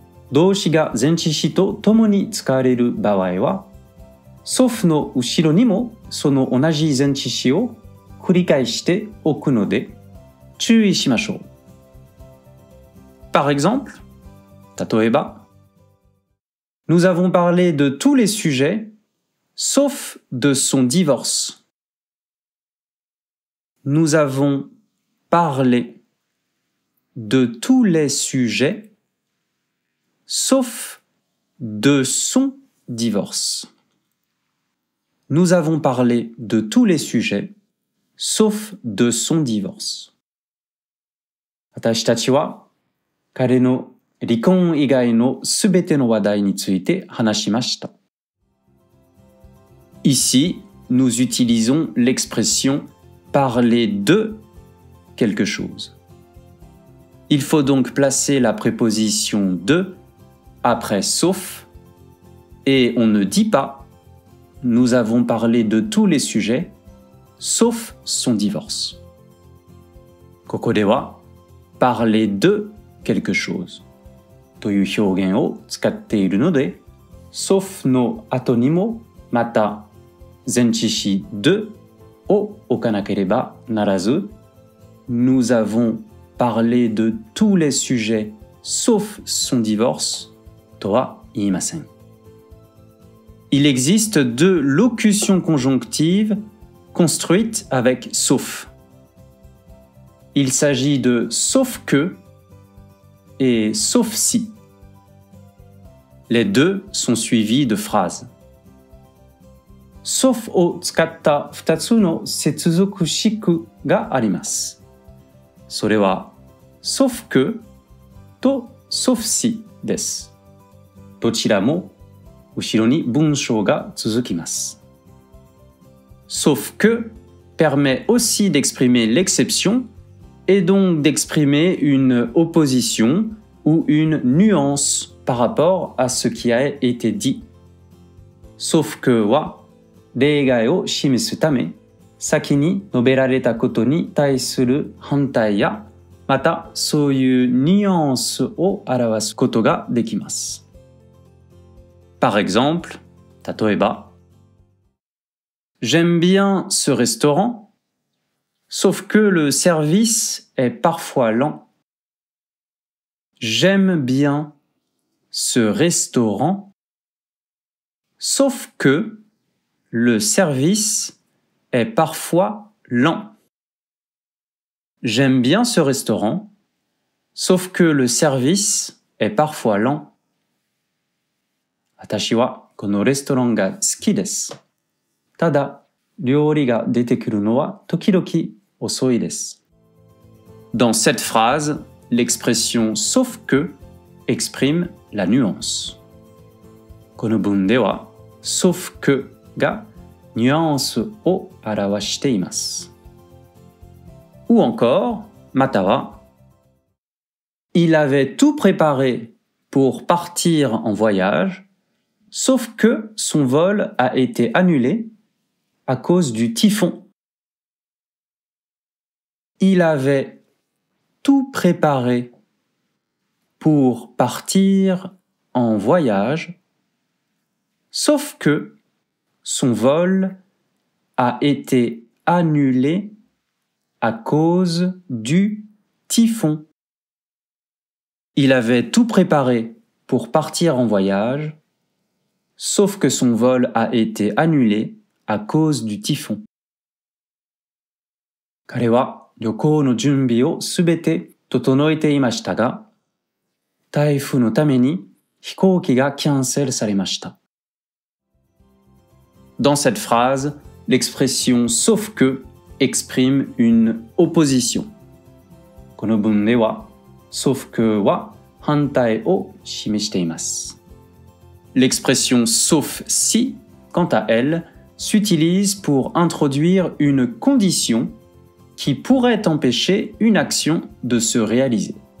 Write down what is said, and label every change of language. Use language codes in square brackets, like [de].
[ja] 動詞が前置詞と共に使われる場合は、sauf の後ろにもその同じ前置詞を繰り返しておくので、注意しましょう。 [fr] Par exemple, [ja] 例えば、 [fr] Nous avons parlé de tous les sujets sauf de son divorce. Nous avons parlé de tous les sujets sauf de son divorce. Nous avons parlé de tous les sujets sauf de son divorce. [ja] 私たちは彼の離婚以外のすべての話題について話しました。 [fr] Ici, nous utilisons l'expression parler de quelque chose. Il faut donc placer la préposition de après sauf et on ne dit pas nous avons parlé de tous les sujets sauf son divorce. [ja] ここでは [fr] parler de quelque chose [ja] という表現を使っているので sauf の後にもまた前置詞de を置かなければならず [fr] Nous avons parlé de tous les sujets sauf son divorce [ja] とは言いません。 [fr] Il existe deux locutions conjonctives construites avec sauf. Il s'agit de sauf que et sauf si. Les deux sont suivis de phrases. [ja] sauf を使った2つの接続式があります。それは、sauf que と sauf si です。どちらも後ろに文章が続きます。 [fr] sauf que permet aussi d'exprimer l'exception et donc d'exprimer une opposition ou une nuance par rapport à ce qui a été dit. [ja] sauf que wa 例外を示すため先に述べられたことに対する反対やまたそういうニュアンスを表すことができます。 [fr] Par exemple, [ja] 例えば [fr] J'aime bien ce restaurant, sauf que le service est parfois lent. J'aime bien ce restaurant, sauf que le service est parfois lent. J'aime bien ce restaurant, sauf que le service est parfois lent. [ja] 私はこのレストランが好きです。ただ、料理が出てくるのは時々遅いです。 [fr] Dans cette phrase, l'expression « sauf que » exprime la nuance. [ja] この文では、「sauf que」がニュアンスを表しています。 [fr] Ou encore, [ja] または、 [fr] Il avait tout préparé pour partir en voyage, sauf que son vol a été annulé à cause du typhon. Il avait tout préparé pour partir en voyage, sauf que son vol a été annulé à cause du typhon. Il avait tout préparé pour partir en voyage, sauf que son vol a été annulé à cause du typhon. [ja] 彼は旅行の準備をすべて整えていましたが、台風のために飛行機がキャンセルされました。 [fr] Dans cette phrase, l'expression « sauf que » exprime une opposition. [ja] この文では、「sauf que」は反対を示しています。 [fr] L'expression « sauf si », quant à elle, s'utilise pour introduire une condition qui pourrait empêcher une action de se réaliser.